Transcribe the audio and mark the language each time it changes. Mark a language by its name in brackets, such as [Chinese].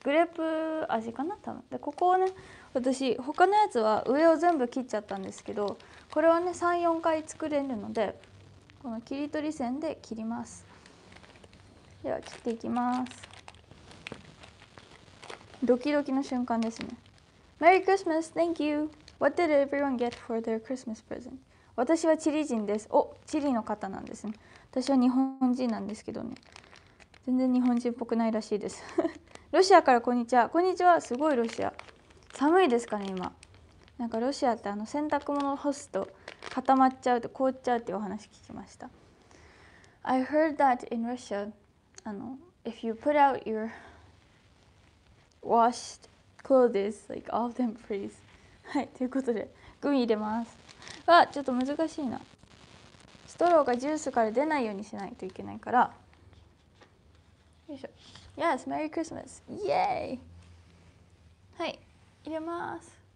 [Japanese] グレープ味かな多分。でここをね、私他のやつは上を全部切っちゃったんですけど、これはね 3,4 回作れるので、この切り取り線で切ります。では切っていきます。ドキドキの瞬間ですね。 [English] Merry Christmas! Thank you! What did everyone get for their Christmas present? [Japanese] 私はチリ人です。お、チリの方なんですね。私は日本人なんですけどね、全然日本人っぽくないらしいです。ロシアからこんにちは。こんにちは。すごい、ロシア寒いですかね今。なんかロシアって、あの洗濯物を干すと固まっちゃうと凍っちゃうっていうお話聞きました。 [English] I heard that in Russia if you put out your washed clothes like all of them freeze。 [Japanese] はい、ということでグミ入れます。わ、ちょっと難しいな。スストローがジュースから出ないようにしないといけないから。よいしょ。 [English] Yes, Merry Christmas! [Japanese] イエーイ。はい、入れます。